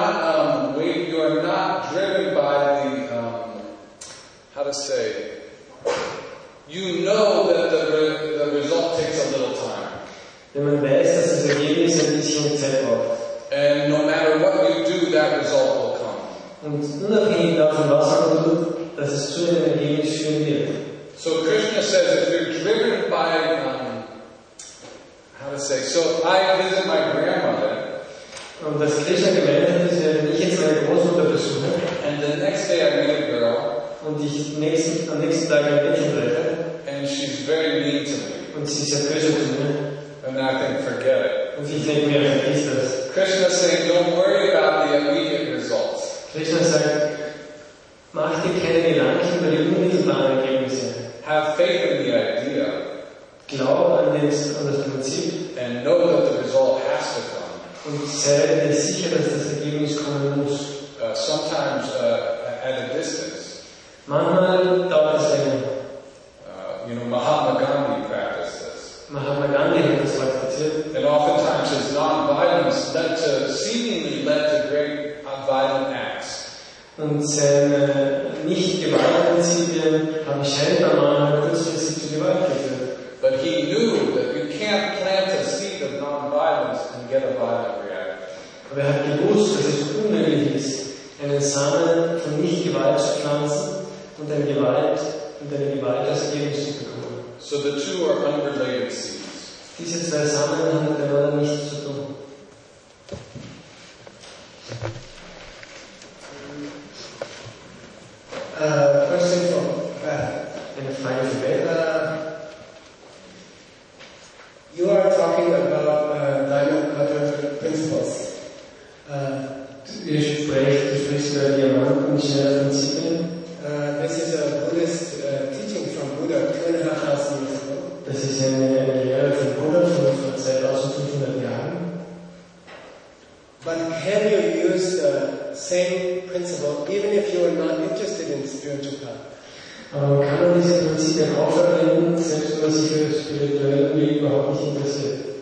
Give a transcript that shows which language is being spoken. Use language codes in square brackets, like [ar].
[en] You are not driven by the, how to say, you know that the result takes a little time. [de] Wenn man weiß, dass das Ergebnis ein bisschen Zeit braucht. [en] And no matter what you do, that result will come. [de] Und unabhängig davon, was man tut, dass es zu einem Ergebnis führen wird. [en] So Krishna says, if you're driven by, how to say, so if I visit my grandmother. [de] Und was Krishna gemeint hat, ist, wenn ich jetzt meine Großmutter besuche. [en] And the next day I meet a girl. [de] Und ich am nächsten Tag ein Mädchen treffe. [en] And she's very mean to me. [de] Und sie ist sehr böse zu mir. [en] And I can forget it. Krishna is saying, don't worry about the immediate results. [de] Krishna sagt, mach dir keine Gedanken über die unmittelbaren Ergebnisse. [en] Have faith in the idea. [de] Glaub an das Prinzip. [en] And know that the result has to come. [de] Und sei dir sicher, dass das Ergebnis kommen muss. [en] Sometimes at a distance. [de] Manchmal dauert es länger. [en] You know, Mahatma Gandhi practiced this. [de] Mahatma Gandhi hat das praktiziert. [en] And oftentimes his non-violence led to, seemingly led to great violent acts. [de] Und seine Nicht-Gewaltprinzipien haben scheinbar manchmal kurzfristig zu Gewalt geführt. [en] But he knew that you can't plant a seed of non-violence and get a violent reaction. [de] Aber er hat gewusst, dass es unmöglich ist, einen Samen von Nicht-Gewalt zu pflanzen und eine Gewalt und eine Gewalt als Ergebnis zu bekommen. [en] So the two are unrelated seeds. [de] Diese zwei Samen haben miteinander nichts zu tun. [en] Question from and finally, you are talking about diamond cutter principles. [de] Ich spreche über Diamantenschere Prinzipien. [en] This is a Buddhist teaching from Buddha 2500 years ago. [de] Das ist eine Lehre von Buddha von 2500 Jahren. [en] But can you use the same principle even if you are not interested in spiritual path? [de] Aber man kann diese Prinzipien auch verwenden, selbst wenn man sich für spirituelle Wege überhaupt nicht interessiert.